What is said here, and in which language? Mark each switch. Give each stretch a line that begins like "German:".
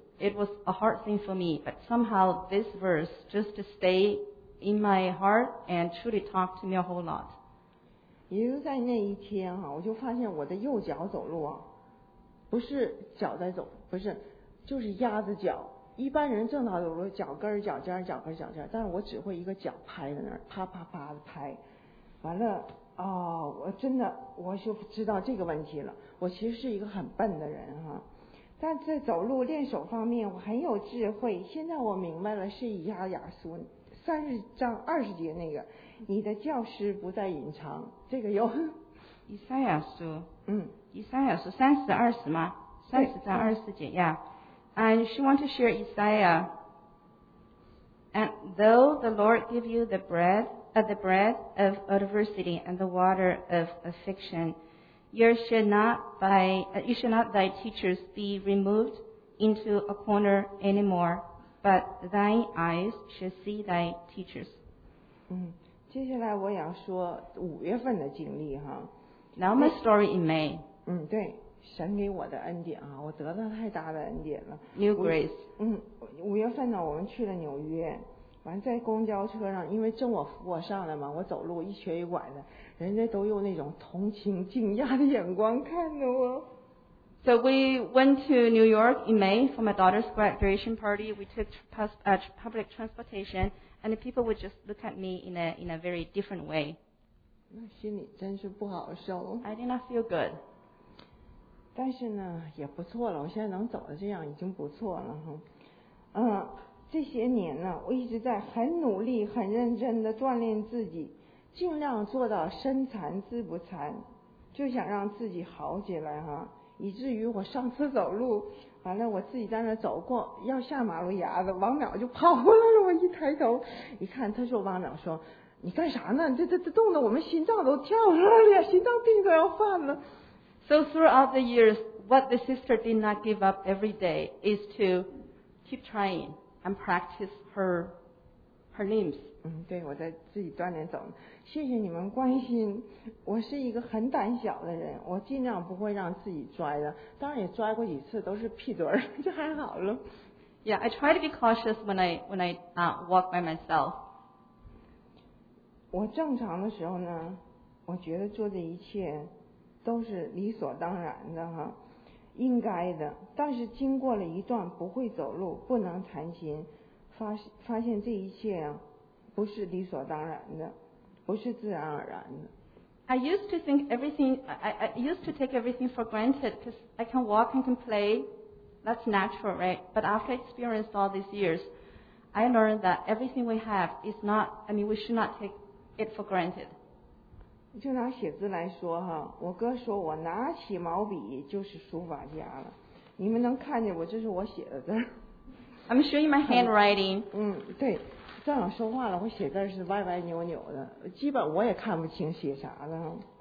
English: It was a hard thing for me, but somehow this verse just to stay in my heart and truly talk to me a whole lot.
Chinese: 也就在那一天哈，我就发现我的右脚走路啊，不是脚在走，不是，就是鸭子脚。一般人正常走路，脚跟脚尖，脚跟脚尖，但是我只会一个脚拍在那儿，啪啪啪的拍，完了。哦，我真的我就知道这个问题了。我其实是一个很笨的人哈，但在走路练手方面我很有智慧。现在我明白了，是以亚雅书三十章二十节那个，你的教师不再隐藏。这个有以赛亚书，嗯，以赛亚书三十二十吗？三十章二十节呀。
English: And she want to share Isaiah. And though the Lord give you the bread. The bread of adversity and the water of affliction. You shall not thy teachers be removed into a corner anymore, but thine eyes shall see thy teachers.
Chinese: 嗯，接下来我想说五月份的经历哈。
English: Now my story in May.
Chinese: 嗯，对，神给我的恩典啊，我得到太大的恩典了。
English: New grace.
Chinese: 嗯，五月份呢，我们去了纽约。完在公交车上，因为正我扶我上来嘛，我走路一瘸一拐的，人家都用那种同情惊讶的眼光看着我。
English: So we went to New York in May for my daughter's graduation party. We took public transportation, and the people would just look at me in a very different way.
Chinese: 那心里真是不好受。
English: I did not feel good.
Chinese: 但是呢，也不错了。我现在能走得这样已经不错了哈。嗯。这些年呢，我一直在很努力、很认真地锻炼自己，尽量做到身残志不残，就想让自己好起来哈。以至于我上次走路，完了我自己在那走过，要下马路牙子，王淼就跑过来了。我一抬头一看，他说：“王淼说，你干啥呢？这冻得我们心脏都跳了呀，心脏病都要犯了。”
English: So throughout the years, what the sister did not give up every day is to keep trying. And practice her limbs.
Chinese: 嗯，对，我在自己锻炼走。谢谢你们关心。我是一个很胆小的人，我尽量不会让自己摔的。当然也摔过几次，都是屁墩儿，就还好了。
English: Yeah, I try to be cautious when I walk by myself.
Chinese: 我正常的时候呢，我觉得做这一切都是理所当然的哈。应该的，但是经过了一段不会走路、不能弹琴，发现这一切啊，不是理所当然的，不是自然而然的。
English: I used to think everything, I used to take everything for granted because I can walk and can play, that's natural, right? But after I experienced all these years, I learned that everything we have is not, I mean, we should not take it for granted.
Chinese: 就拿写字来说哈，我哥说我拿起毛笔就是书法家了。你们能看见我，这是我写的字。
English: I'm showing my handwriting.
Chinese: 对，正好说话了，我写字是歪歪扭扭的，基本我也看不清写啥的。